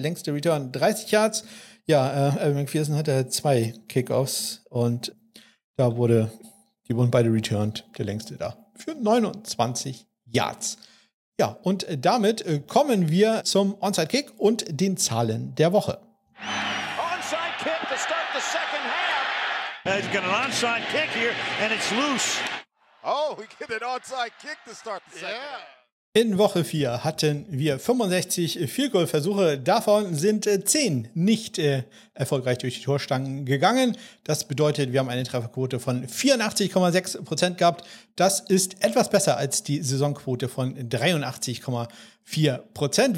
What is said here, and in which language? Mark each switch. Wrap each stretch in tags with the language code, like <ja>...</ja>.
<de>Längste Return 30 Yards. Ja, Evan McPherson hatte 2 Kickoffs und da wurde, die wurden beide returned, der längste da, für 29 Yards. Ja, und damit kommen wir zum Onside-Kick und den Zahlen der Woche.</de> <en>Onside-Kick to start the second half. He's got an onside kick here and it's loose. Oh, we get an onside kick to start the second. Yeah.</en> <de>In Woche 4 hatten wir 65 Field Goal Versuche, davon sind 10 nicht erfolgreich durch die Torstangen gegangen. Das bedeutet, wir haben eine Trefferquote von 84,6% gehabt. Das ist etwas besser als die Saisonquote von 83,4%.</de>